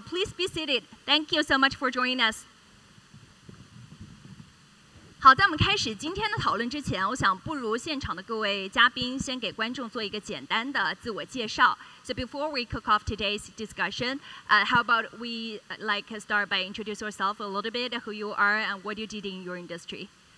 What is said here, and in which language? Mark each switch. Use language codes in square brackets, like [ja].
[en] Please be seated. Thank you so much for joining us. [zh] 好，在我们开始今天的讨论之前，我想不如现场的各位嘉宾先给观众做一个简单的自我介绍。 [en] So before we kick off today's discussion, how about we like start by introduce yourself a little bit, who you are and what you did in your industry.